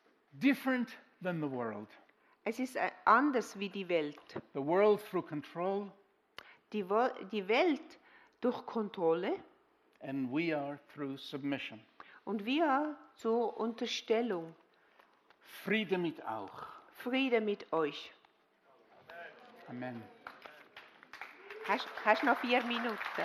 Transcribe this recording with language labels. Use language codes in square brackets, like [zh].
[en] Different than the world. [de] Es ist anders wie die Welt. [en] The world through control. [de] Die Welt durch Kontrolle. [en] And we are through submission. [de] Und wir zur Unterstellung. Friede mit auch. Friede mit euch. Amen. Hast du noch 4 Minuten?